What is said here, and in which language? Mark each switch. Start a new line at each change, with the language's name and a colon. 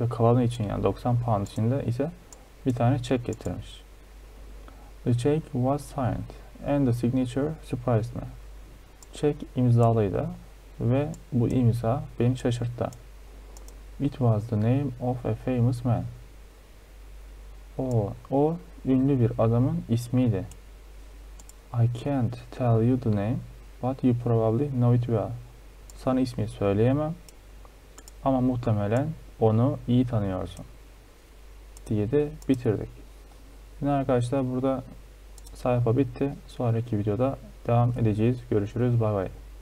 Turkish: Ve kalanı için, yani 90 pound içinde ise bir tane check getirmiş.
English: The check was signed and the signature surprised me.
Turkish: Check imzalıydı ve bu imza beni şaşırttı.
English: It was the name of a famous man.
Turkish: O ünlü bir adamın ismiydi.
English: I can't tell you the name, but you probably know it well.
Turkish: Sana ismi söyleyemem ama muhtemelen onu iyi tanıyorsun diye de bitirdik. Yine arkadaşlar, burada sayfa bitti. Sonraki videoda devam edeceğiz. Görüşürüz.
English: Bye bye.